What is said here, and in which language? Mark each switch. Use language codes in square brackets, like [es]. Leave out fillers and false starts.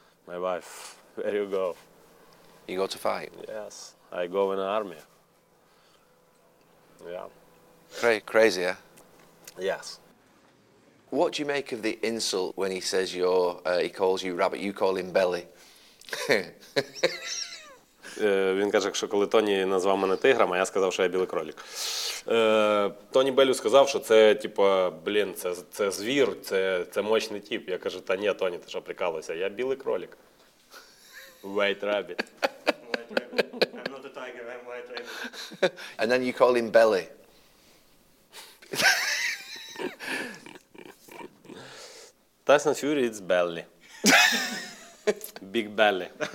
[en] My wife, where you go? You go to fight? Yes, I go in the army. Yeah. Crazy, yeah. Yes. What do you make of the insult when he says you're, he calls you rabbit, you call him belly? [uk] Він каже, що коли Тоні назвав мене тигром, а я сказав, що я білий кролік. Тоні Беллю сказав, що це, типу, блін, це звір, це мощний тип. Я кажу, та ні, Тоні, ти що прикалуєшся? Я білий кролік. [en] White rabbit. I'm not a tiger, I'm white rabbit. And then you call him belly. Tyson Fury, it's belly. Big belly.